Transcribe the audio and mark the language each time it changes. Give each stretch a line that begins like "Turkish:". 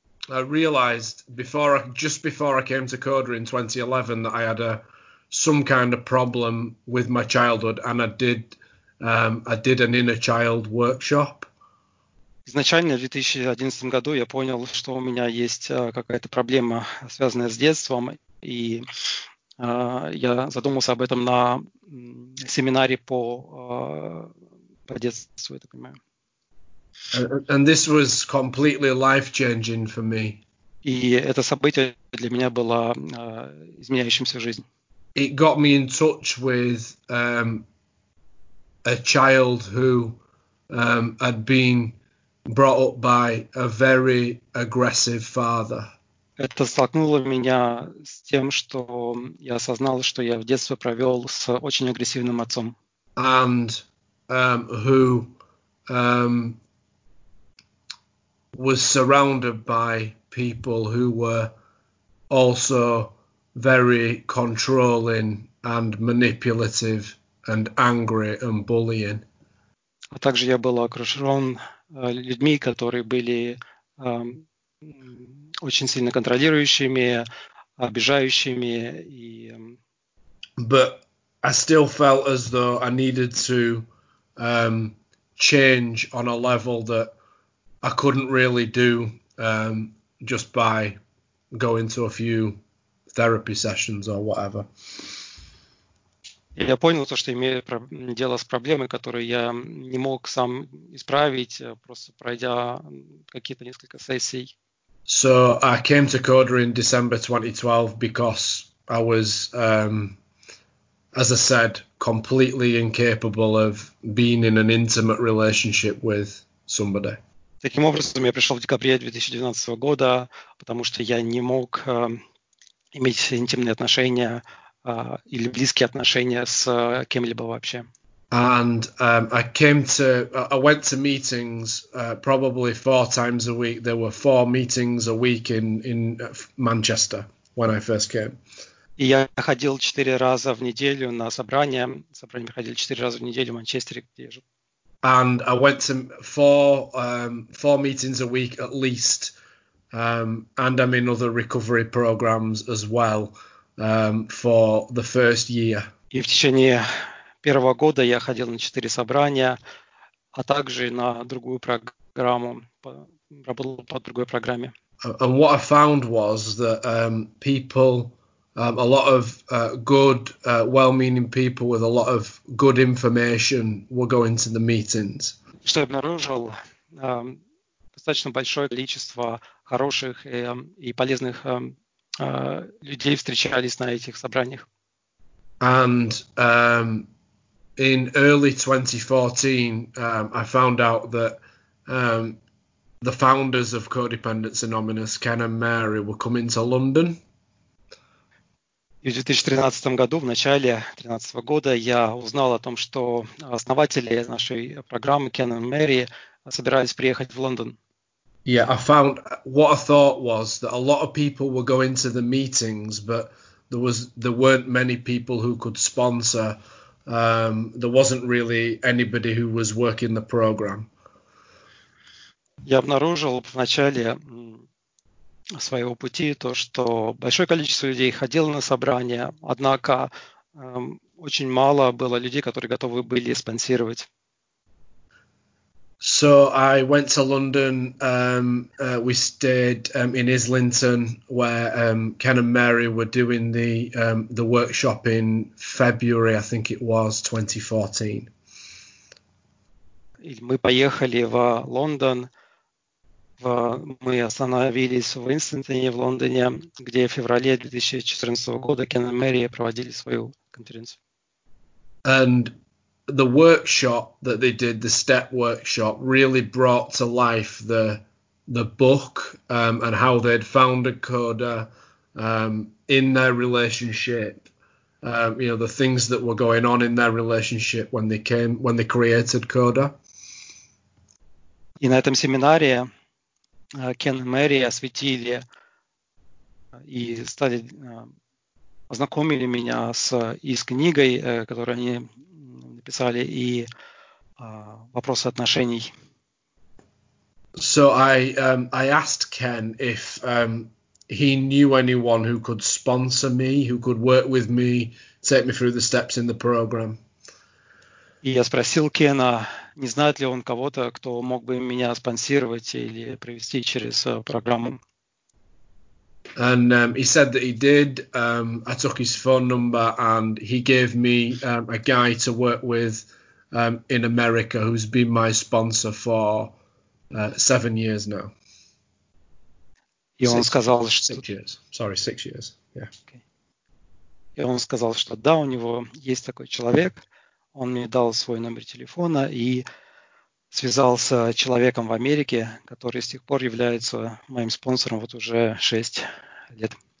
English: I realized just before I came to Coda in 2011 that I had some kind of problem with my childhood, and I did an inner child workshop.
Russian: Изначально, в 2011 году, я понял, что у меня есть какая-то проблема, связанная с детством, и я задумался об этом на семинаре по детству, я так понимаю.
English: And this was completely life-changing for me.
Russian: И это событие для меня было изменяющим всю жизнь.
English: It got me in touch with a child who had been brought up by a very aggressive father.
Russian: Это столкнуло меня с тем, что я осознал, что я в детстве провел с очень агрессивным отцом.
English: And who was surrounded by people who were also very controlling and manipulative and angry and bullying.
Russian: А также я был окружён людьми, которые были очень сильно контролирующими, обижающими. И,
English: But I still felt as though I needed to change on a level that I couldn't really do just by going to a few therapy sessions or whatever.
Russian: Я понял то, что имею дело с проблемой, которую я не мог сам исправить, просто пройдя какие-то несколько сессий.
English: So I came to Coda in December 2012 because I was, as I said, completely incapable of being in an intimate relationship with somebody.
Russian: Таким образом, я пришел в декабре 2012 года, потому что я не мог иметь интимные отношения или близкие отношения с кем-либо вообще.
English: And I went to meetings probably four times a week. There were four meetings a week in Manchester when I first came.
Russian: И я ходил четыре раза в неделю на собрания. Собрания проходили четыре раза в неделю в Манчестере, где я жил.
English: And I went to four meetings a week at least. And I'm in other recovery programs as well for the first year.
Russian: И в течение первого года я ходил на четыре собрания, а также на другую программу, работал по другой программе.
English: And what I found was that people, a lot of good, well-meaning people with a lot of good information were going to the meetings.
Russian: Что я обнаружил, достаточно большое количество хороших и полезных людей встречались на этих собраниях.
English: And in early 2014, I found out that the founders of Codependence Anonymous, Ken and Mary, were coming to London.
Russian: И в 2013 году, в начале 2013 года, я узнал о том, что основатели нашей программы, Ken and Mary, собирались приехать в Лондон.
English: Yeah, I found what I thought was that a lot of people were going to the meetings, but there weren't many people who could sponsor. There wasn't really anybody who was working the program.
Russian: Я обнаружил в начале своего пути то, что большое количество людей ходило на собрания, однако очень мало было людей, которые готовы были спонсировать.
English: So I went to London. We stayed in Islington, where Ken and Mary were doing the workshop in February, I think it was 2014.
Russian: Мы поехали в Лондон. Мы остановились в Инстентоне в Лондоне, где в феврале 2014 года Ken and Mary проводили свою конференцию.
English: And the workshop that they did, the step workshop, really brought to life the book and how they'd found a coder in their relationship. You know, the things that were going on in their relationship when they created coder.
Russian: И на этом семинаре Ken и Мэри осветили и стали познакомили меня с из книгой, которую они писали и вопросы отношений.
English: So I asked Ken if he knew anyone who could sponsor me, who could work with me, take me through the steps in the program.
Russian: И я спросил Кена, не знает ли он кого-то, кто мог бы меня спонсировать или провести через программу.
English: And he said that he did. I took his phone number and he gave me a guy to work with in America who's been my sponsor for 7 years now.
Russian: И он сказал, что...
English: 6 years. Sorry, 6 years. Yeah.
Russian: Okay. И он сказал, что да, у него есть такой человек. Он мне дал свой номер телефона и связался с человеком в Америке, который с тех пор является моим спонсором вот уже 6 лет.